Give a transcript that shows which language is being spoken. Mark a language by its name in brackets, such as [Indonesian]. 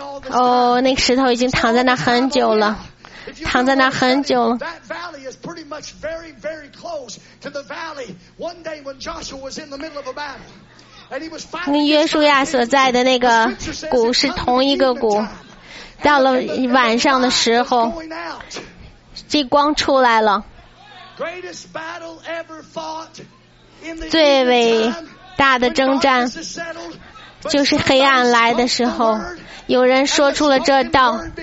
[Chinese] 哦，那个石头已经躺在那很久了。躺在那很久了。 [English] That valley is pretty much very, very close to the valley. One day when Joshua was in the middle of a battle, and he was fighting. [Chinese] 跟约书亚所在的那个谷是同一个谷。到了晚上的时候，这光出来了。 [English] Greatest battle ever fought in the. [Chinese] 最伟大的征战，就是黑暗来的时候，有人说出了这道。